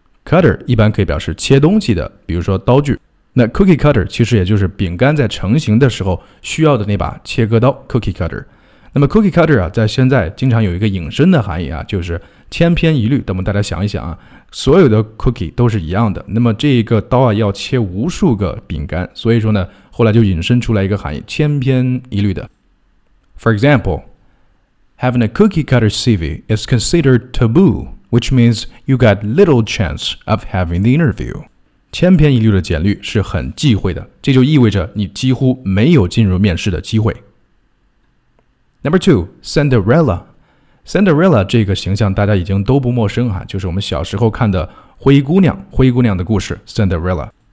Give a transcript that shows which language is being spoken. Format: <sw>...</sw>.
<zh>Cutter 一般可以表示切东西的，比如说刀具。那 cookie cutter 其实也就是饼干在成型的时候需要的那把切割刀 cookie cutter。那么 cookie cutter 啊，在现在经常有一个引申的含义啊，就是千篇一律。那么大家想一想啊，所有的 cookie 都是一样的，那么这一个刀啊要切无数个饼干，所以说呢，后来就引申出来一个含义，千篇一律的。</zh> <en>For example, having a cookie cutter CV is considered taboo, which means you got little chance of having the interview.</en> <zh>千篇一律的简历是很忌讳的，这就意味着你几乎没有进入面试的机会。</zh> <en>Number two,</en> <zh>Cinderella. Cinderella 这个形象大家已经都不陌生啊，就是我们小时候看的灰姑娘的故事 Cinderella。</zh>